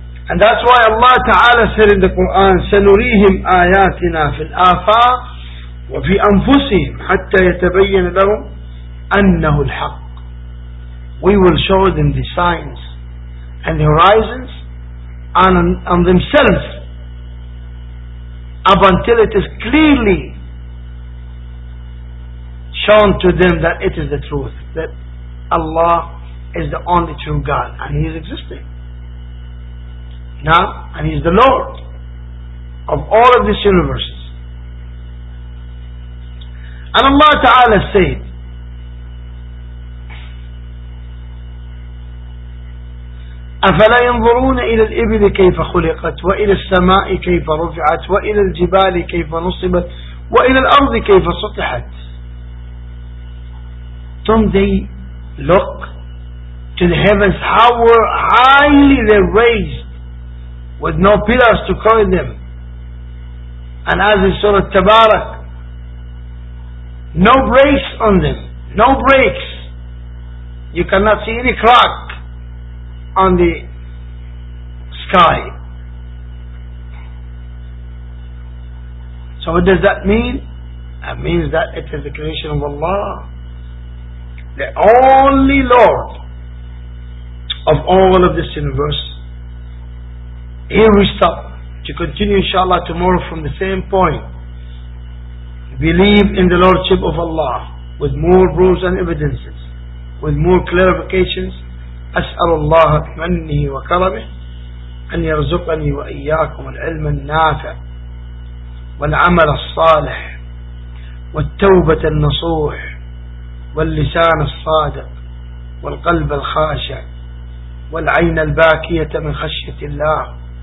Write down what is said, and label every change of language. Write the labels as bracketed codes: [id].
[en] And that's why Allah Ta'ala said in the Quran, [ar] سَنُرِيهِمْ آيَاتِنَا فِي الْآفَاقِ وَفِي أَنفُسِهِمْ حَتَّى يَتَبَيَّنَ لَهُمْ أَنَّهُ الْحَقِّ. [en] we will show them the signs and the horizons on themselves up until it is clearly shown to them that it is the truth, that Allah is the only true God and He is existing now, and He is the Lord of all of these universes. And Allah Ta'ala said, [ar] أَفَلَا يَنْظُرُونَ إِلَى الْإِبِلِ كَيْفَ خُلِقَتْ وَإِلَى السَّمَاءِ كَيْفَ رُفِعَتْ وَإِلَى الْجِبَالِ كَيْفَ نُصِبَتْ وَإِلَى الْأَرْضِ كَيْفَ سُطِحَتْ. [en] Don't they look to the heavens, how highly they raised with no pillars to cover them? And as in Surah Tabarak, no breaks on them, no breaks. You cannot see any crack on the sky. So what does that mean? That means that it is the creation of Allah, the only Lord of all of this universe. Here we stop to continue inshallah tomorrow from the same point. Believe in the Lordship of Allah with more proofs and evidences, with more clarifications. [ar] أسأل الله بمنه وكرمه أن يرزقني وإياكم العلم النافع والعمل الصالح والتوبة النصوح واللسان الصادق والقلب الخاشع والعين الباكية من خشية الله.